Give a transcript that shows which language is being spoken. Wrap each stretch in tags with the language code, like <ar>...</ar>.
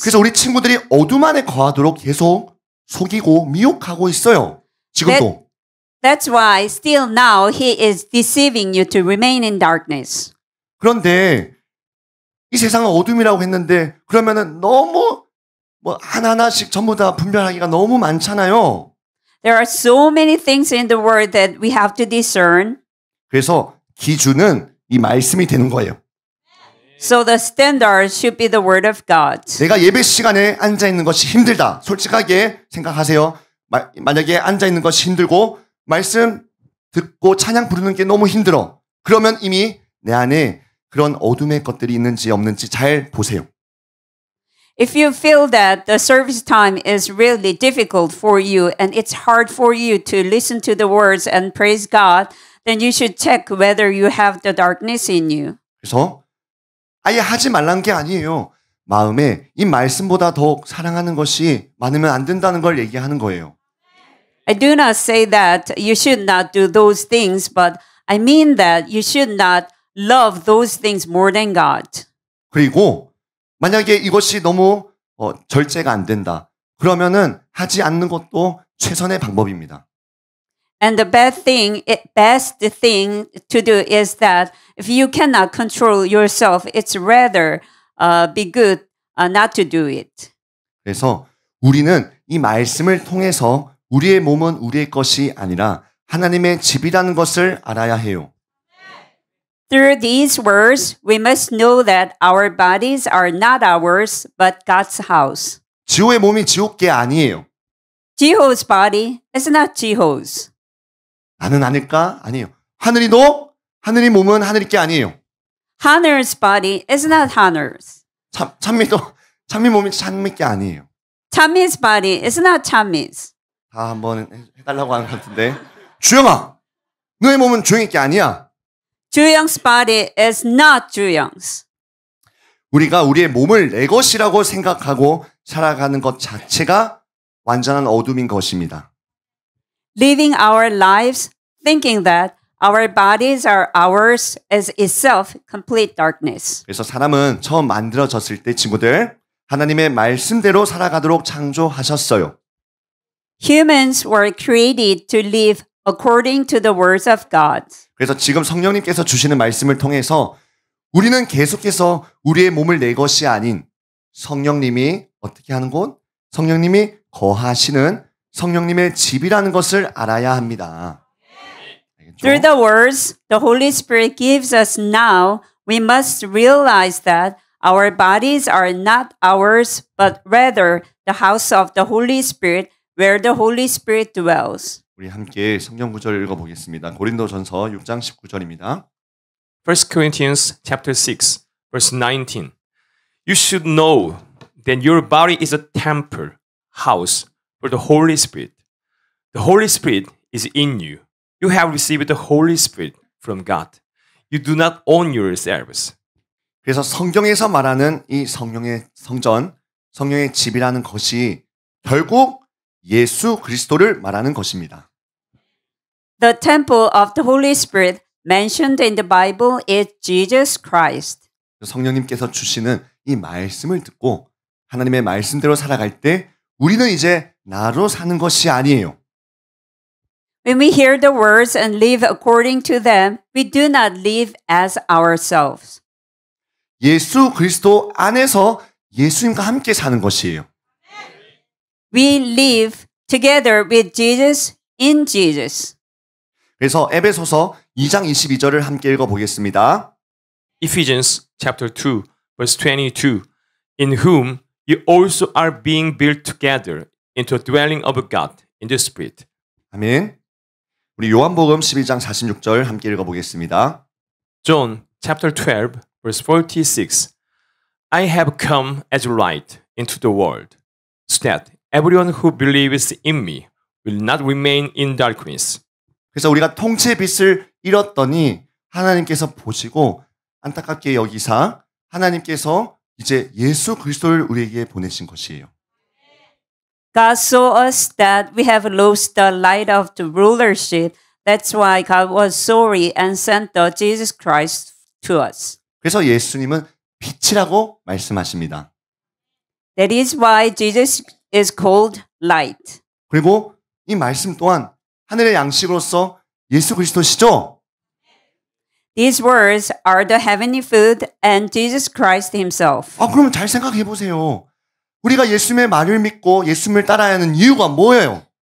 <ko>그래서 우리 친구들이 어둠 안에 거하도록 계속 속이고 미혹하고 있어요. 지금도.</ko> <en>That's why still now he is deceiving you to remain in darkness.</en> <ko>그런데 이 세상은 어둠이라고 했는데 그러면은 너무 뭐 하나하나씩 전부 다 분별하기가 너무 많잖아요.</ko> <en>There are so many things in the world that we have to discern.</en> <ko>그래서 기준은 이 말씀이 되는 거예요.</ko> <en>So the standard should be the word of God.</en> <ko>내가 예배 시간에 앉아 있는 것이 힘들다. 솔직하게 생각하세요. 만약에 앉아 있는 것이 힘들고 말씀 듣고 찬양 부르는 게 너무 힘들어. 그러면 이미 내 안에 그런 어둠의 것들이 있는지 없는지 잘 보세요.</ko> <en>If you feel that the service time is really difficult for you and it's hard for you to listen to the words and praise God, then you should check whether you have the darkness in you.</en> <ko>그래서 아예 하지 말라는 게 아니에요. 마음에 이 말씀보다 더욱 사랑하는 것이 많으면 안 된다는 걸 얘기하는 거예요.</ko> <en>I do not say that you should not do those things, but I mean that you should not love those things more than God.</en> <ko>그리고 만약에 이것이 너무 절제가 안 된다. 그러면은 하지 않는 것도 최선의 방법입니다.</ko> <en>And the best thing to do is that if you cannot control yourself, it's rather be good not to do it.</en> <ko>그래서 우리는 이 말씀을 통해서 우리의 몸은 우리의 것이 아니라 하나님의 집이라는 것을 알아야 해요.</ko> <en>Through these words, we must know that our bodies are not ours, but God's house.</en> <ko>지호의 몸이 지호 게 아니에요.</ko> <en>Jiho's body is not Jiho's.</en> <ko>나는 아닐까? 아니에요. 하늘이 너? 하늘이 몸은 하늘이 게 아니에요.</ko> <en>Hanner's body is not Hanner's.</en> <ko>찬미도 찬미 몸이 찬미 게 아니에요.</ko> <en>Chami's body is not Chami's.</en> <ko>다 한번 해달라고 하는 것 같은데. 주영아, 너의 몸은 주영이 게 아니야.</ko> <en>주영's body is not Juyoung's.</en> <ko>우리가 우리의 몸을 내 것이라고 생각하고 살아가는 것 자체가 완전한 어둠인 것입니다.</ko> <en>Living our lives thinking that our bodies are ours is itself complete darkness.</en> <ko>그래서 사람은 처음 만들어졌을 때 친구들 하나님의 말씀대로 살아가도록 창조하셨어요.</ko> <en>Humans were created to live according to the words of God.</en> <ko>그래서 지금 성령님께서 주시는 말씀을 통해서 우리는 계속해서 우리의 몸을 내 것이 아닌 성령님이 어떻게 하는 곳? 성령님이 거하시는 성령님의 집이라는 것을 알아야 합니다. 알겠죠?</ko> <en>Through the words the Holy Spirit gives us now, we must realize that our bodies are not ours, but rather the house of the Holy Spirit where the Holy Spirit dwells.</en> <ko>우리 함께 성경 구절을 읽어보겠습니다. 고린도전서 6장 19절입니다.</ko> <en>1 Corinthians chapter 6, verse 19. You should know that your body is a temple, house for the Holy Spirit. The Holy Spirit is in you. You have received the Holy Spirit from God. You do not own yourselves.</en> <ko>그래서 성경에서 말하는 이 성령의 성전, 성령의 집이라는 것이 결국 예수 그리스도를 말하는 것입니다.</ko> <en>The temple of the Holy Spirit mentioned in the Bible is Jesus Christ.</en> <ko>성령님께서 주시는 이 말씀을 듣고 하나님의 말씀대로 살아갈 때 우리는 이제 나로 사는 것이 아니에요.</ko> <en>When we hear the words and live according to them, we do not live as ourselves.</en> <ko>예수 그리스도 안에서 예수님과 함께 사는 것이에요.</ko> <en>We live together with Jesus in Jesus.</en> <ko>그래서 에베소서 2장 22절을 함께 읽어보겠습니다.</ko> <en>Ephesians chapter 2 verse 22 In whom you also are being built together into a dwelling of God in the Spirit.</en> <ko>아멘. 우리 요한복음 12장 46절 함께 읽어보겠습니다.</ko> <en>John chapter 12 verse 46 I have come as light into the world so that everyone who believes in me will not remain in darkness.</en> <ko>그래서 우리가 통치의 빛을 잃었더니 하나님께서 보시고 안타깝게 여기사 하나님께서 이제 예수 그리스도를 우리에게 보내신 것이에요.</ko> <en>God saw us that we have lost the light of the rulership. That's why God was sorry and sent the Jesus Christ to us.</en> <ko>그래서 예수님은 빛이라고 말씀하십니다.</ko> <en>That is why Jesus is called light.</en> <ko>그리고 이 말씀 또한 하늘의 양식으로서 예수 그리스도시죠.</ko> <en>These words are the heavenly food and Jesus Christ himself.</en> <ko>아, 그러면 잘 생각해 보세요. 우리가 예수님의 말을 믿고 예수님을 따라야 하는 이유가 뭐예요?</ko>